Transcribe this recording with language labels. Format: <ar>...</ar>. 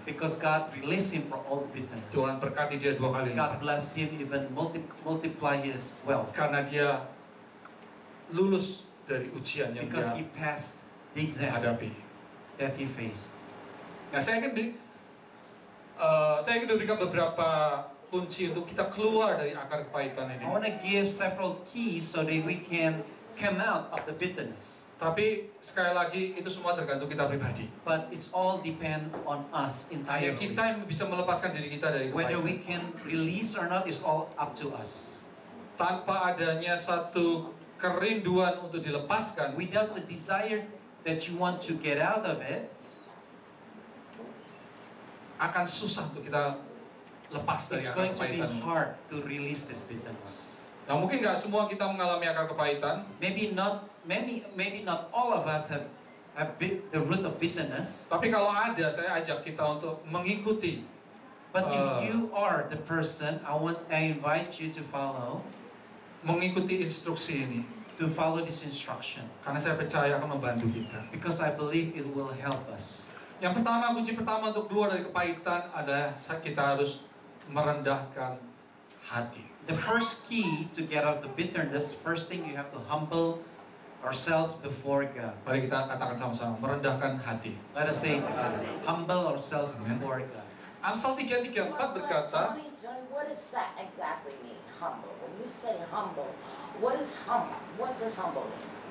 <en>Because God released him from all the bitterness.</en> <id>Tuhan berkati dia dua kali</id> <en>lipat. God blessed him even multiply his wealth.</en> <id>Karena dia lulus dari ujian yang</id> <en>because</en> <id>dia</id> <en>he passed the exam</en> <id>hadapi.</id> <en>That he faced.</en> <id>Nah, saya ingin diberikan beberapa kunci untuk kita keluar dari akar kepahitan ini.</id> <en>I want to give several keys so that we can come out of the bitterness.</en> <id>Tapi sekali lagi itu semua tergantung kita pribadi.</id> <en>But it's all depend on us entirely.</en> <id>Ya, kita yang bisa melepaskan diri kita dari kepahitan.</id> <en>Whether we can release or not is all up to us.</en> <id>Tanpa adanya satu kerinduan untuk dilepaskan.</id> <en>Without the desire that you want to get out of it,</en> <id>akan susah untuk kita lepas dari</id> <en>it's</en> <id>akar kepahitan.</id> <en>It's going to be hard to release this bitterness.</en> <id>Nah, mungkin nggak semua kita mengalami akar kepahitan.</id> <en>Maybe not all of us have the root of bitterness.</en> <id>Tapi kalau ada, saya ajak kita untuk mengikuti.</id> <en>But if you are the person, I invite you to follow.</en> <id>Mengikuti instruksi ini.</id> <en>To follow this instruction.</en> <id>Karena saya percaya akan membantu kita.</id> <en>Because I believe it will help us.</en> <id>Yang pertama, kunci pertama untuk keluar dari kepahitan adalah kita harus merendahkan hati.</id> <en>The first key to get out the bitterness, first thing you have to humble ourselves before God.</en> <id>Mari kita katakan sama-sama, merendahkan hati.</id> <en>Let us say it together. Humble ourselves before God.</en> <id>Amsal 3:34 berkata,</id> <en>what does that exactly mean, humble? When you say humble, what is humble? What does humble mean?</en>